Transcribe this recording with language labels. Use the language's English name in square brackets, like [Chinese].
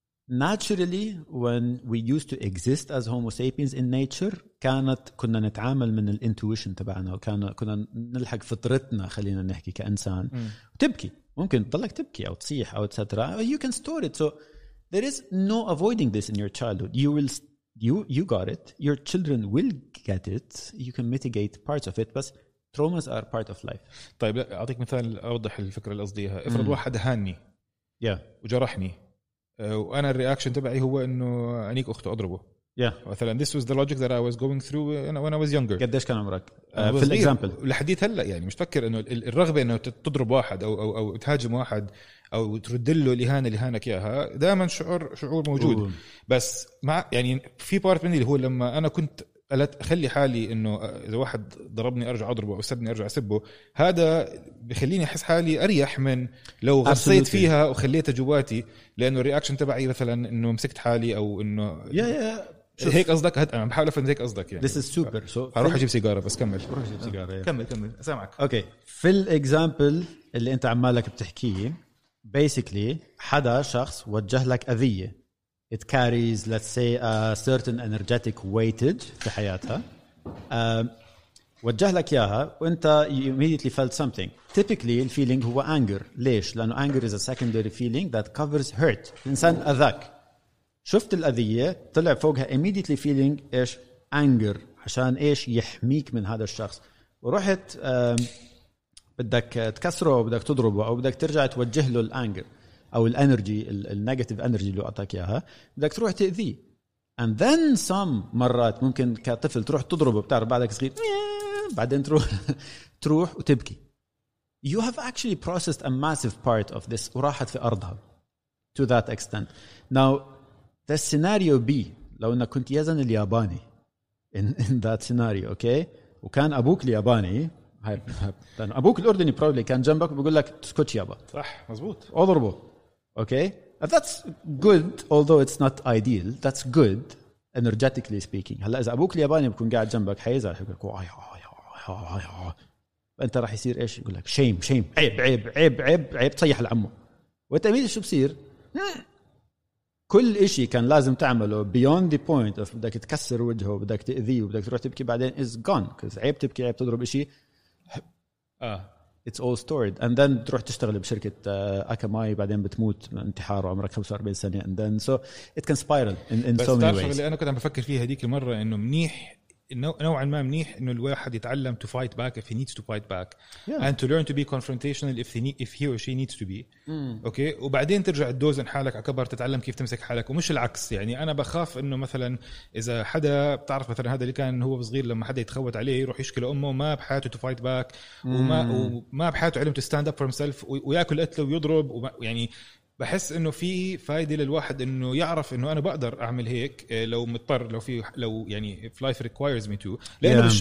[English] Naturally, when we used to exist as Homo sapiens in nature, [Arabic] كانت كنا نتعامل من الانتويشن تبعنا وكان كنا نلحق فطرتنا خلينا نحكي كإنسان وتبكي ممكن تضلك تبكي أو تصيح أو etc. [English] You can store it. So there is no avoiding this in your childhood. You got it. Your children will get it. You can mitigate parts of it, but traumas are part of life. [Arabic] طيب أعطيك مثال أوضح الفكرة اللي قصديها. افرض واحد هاني وجرحني. وأنا الرياكشن تبعي هو إنه أنيك أخته أضربه. Yeah. [English] مثلاً this was the logic that I was going through when I was younger. [Arabic] قديش كان عمرك؟ في الإكزامبل. لحديت هلا يعني مش فكر إنه الرغبة إنه تضرب واحد أو تهاجم واحد أو ترد له الإهانة اللي هانك إياها دائماً شعور موجود. بس مع يعني في بارت مني اللي هو لما أنا كنت أخلي حالي إنه إذا واحد ضربني أرجع أضربه أو سبني أرجع أسبه هذا بخليني أحس حالي أريح من لو غصيت فيها وخليتها جواتي لأنه الرياكشن تبعي مثلاً إنه مسكت حالي أو إنه هيك قصدك أنا بحاول أفهم هيك قصدك يعني [English] This is super. [Arabic] أروح أجيب سيجارة بس كمل أروح أجيب سيجارة كمل سامعك أوكي في الإكزامبل اللي أنت عمالك بتحكيه basically حدا شخص وجه لك أذية [English] It carries, let's say, a certain energetic weightage [Arabic] في حياتها. وجه لك ياها وانت [English] you immediately felt something. Typically, the feeling هو anger. [Arabic] ليش؟ لأنه [English] anger is a secondary feeling that covers hurt. [Arabic] الإنسان أذاك. شفت الأذية طلع فوقها [English] immediately feeling [Arabic] إيش anger عشان إيش يحميك من هذا الشخص. ورحت بدك تكسره أو بدك تضربه أو بدك ترجع توجه له الأنجر. أو الانرجي النيجاتيف انرجي اللي أعطاك إياها بدك تروح تأذيه [English] and then some [Arabic] مرات ممكن كطفل تروح تضربه بتعرف بعدك صغير بعدين تروح وتبكي [English] you have actually processed a massive part of this [Arabic] وراحت في أرضها [English] to that extent now the scenario B [Arabic] لو أنك كنت يزن الياباني [English] in that scenario okay [Arabic] وكان أبوك الياباني أبوك الأردني probably كان جنبك بيقول لك تسكت يابا صح مزبوط أضربه [English] Okay, that's good. Although it's not ideal, that's good energetically speaking. [Arabic] هلا إذا أبوك الياباني بكون قاعد جنبك حيزعل يقولك واي واي واي واي أنت راح يصير إيش يقولك [English] shame shame [Arabic] عيب عيب عيب عيب عيب تصيح لعمه وأنت ميز شو بصير كل إشي كان لازم تعمله [English] beyond the point of [Arabic] بدك تكسر وجهه بدك تأذيه بدك تروح تبكي بعدين [English] is gone because [Arabic] عيب تبكي عيب تضرب إشي [English] It's all stored. And then [Arabic] تروح تشتغل بشركة أكاماي بعدين بتموت انتحار وعمرك 45 سنة. [English] And then so it can spiral in so many ways. [Arabic] اللي أنا كنت عم بفكر فيها هذيك المرة إنه منيح نوعا ما منيح إنه الواحد يتعلم [English] to fight back if he needs to fight back. Yeah. And to learn to be confrontational if he or she needs to be. Okay. [Arabic] وبعدين ترجع تدوزن حالك أكبر تتعلم كيف تمسك حالك ومش العكس يعني أنا بخاف إنه مثلا إذا حدا بتعرف مثلا هذا اللي كان هو صغير لما حدا يتخوت عليه يروح يشكي لأمه ما بحياته [English] to fight back [Arabic] وما بحياته علم [English] to stand up for himself [Arabic] ويأكل قتله ويضرب ويعني بحس إنه في فائدة للواحد إنه يعرف إنه أنا بقدر أعمل هيك لو مضطر لو يعني [English] if life requires me to [Arabic] لأنه yeah.